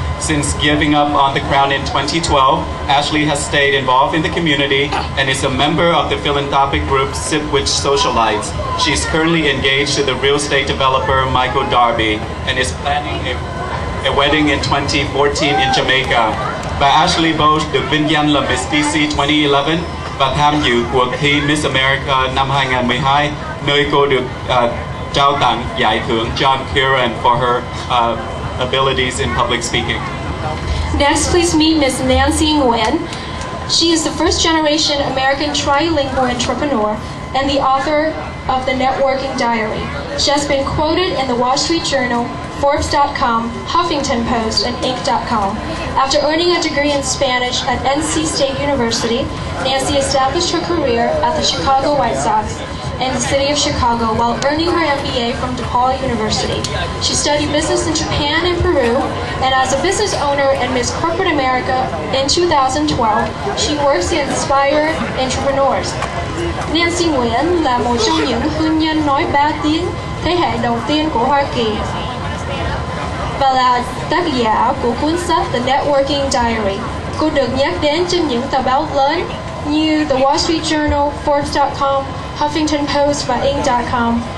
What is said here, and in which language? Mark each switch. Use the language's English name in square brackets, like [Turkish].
[English] Since giving up on the crown in 2012, Ashley has stayed involved in the community and is a member of the philanthropic group Sipwich Socialites. She's currently engaged to the real estate developer Michael Darby and is planning a wedding in 2014 in Jamaica. [Vietnamese] Bà Ashley Bosch được vinh danh là Miss DC 2011 và tham dự cuộc thi Miss America năm 2012, nơi cô được trao tặng giải thưởng John Curran [English] for her abilities in public speaking. Next, please meet Miss Nancy Nguyen. She is the first generation American trilingual entrepreneur and the author of The Networking Diary. She has been quoted in the Wall Street Journal, Forbes.com, Huffington Post, and Inc.com. After earning a degree in Spanish at NC State University, Nancy established her career at the Chicago White Sox and the city of Chicago while earning her MBA from DePaul University. She studied business in Japan and Peru, and as a business owner and Miss Corporate America in 2012, she works to inspire entrepreneurs. [Vietnamese] Nancy Nguyen là một trong những hương nhân nói ba tiếng thế hệ đầu tiên của Hoa Kỳ và là tác giả của cuốn sách The Networking Diary. Cô được nhắc đến trên những tờ báo lớn như The Wall Street Journal, Forbes.com, Huffington Post và Inc.com.